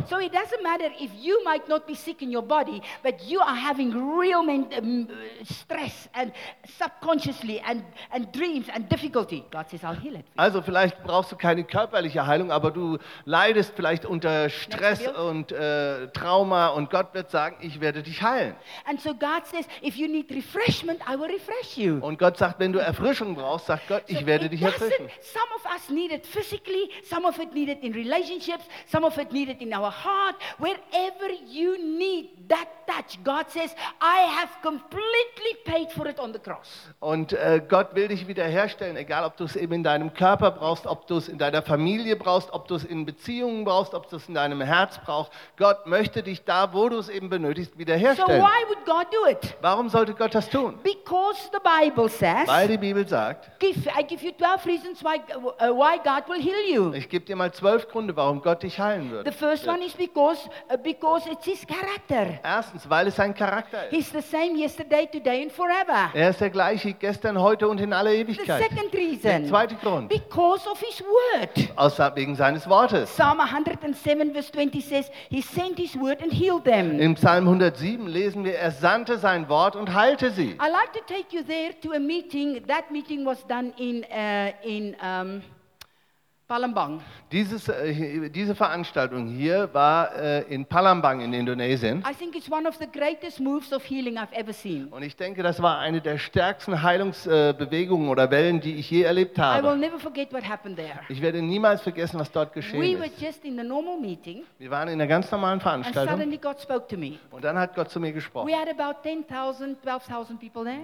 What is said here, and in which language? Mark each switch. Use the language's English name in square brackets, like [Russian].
[English] So it doesn't matter if you might not be sick in your body, but you are having real stress and subconsciously and dreams and difficulty. God says, I'll heal it. [German] Also vielleicht brauchst du keine körperliche Heilung, aber du leidest vielleicht unter Stress und Trauma und Gott wird sagen, ich werde dich heilen. [English] And so God says, if you need refreshment, I will refresh you. [German] Und Gott sagt, wenn du Erfrischung brauchst, sagt Gott, ich werde dich erfrischen. [English] Some of us need it physically, some of it need it in relationships, some of it need it in our heart. Wherever you need that touch, God says, I have completely paid for it on the cross. [German] Und Gott will dich wiederherstellen, egal ob du es eben in deinem Körper brauchst, ob du es in deiner Familie brauchst, ob du es in Beziehungen brauchst, ob du es in deinem Herz brauchst. Gott möchte dich da, wo du es eben benötigst, wiederherstellen. [English] So why would God do it? [German] Warum sollte Gott das tun? [English] Because the Bible says, [German] weil die Bibel sagt, [English] I give you 12 reasons why God will heal you. [German] Ich gebe dir mal 12 Gründe, warum Gott dich heilen wird. [English] The first one is because it's his character. [German] Erstens, weil es sein Charakter ist. [English] He's the same yesterday, today and forever. [German] Er ist der gleiche gestern, heute und in aller Ewigkeit. [English] The second reason, [German] der zweite Grund, [English] because of his word. [German] Wegen seines Wortes. [English] Psalm 107, verse 20 says, he sent his word and healed them. [German] Im Psalm 107 lesen wir, er sandte sein Wort und heilte sie. [English] I like to take you there to a meeting. That meeting was done in Palembang. [German] Diese Veranstaltung hier war in Palembang in Indonesien. [English] I think it's one of the greatest moves of healing I've ever seen. [German] Und ich denke, das war eine der stärksten Heilungsbewegungen oder Wellen, die ich je erlebt habe. [English] I will never forget what happened there. [German] Ich werde niemals vergessen, was dort geschehen ist. [English] We were just in the normal meeting. [German] Wir waren in einer ganz normalen Veranstaltung. [English] And suddenly God spoke to me. [German] Und dann hat Gott zu mir gesprochen. [English] We had about 10,000, 12,000 people there.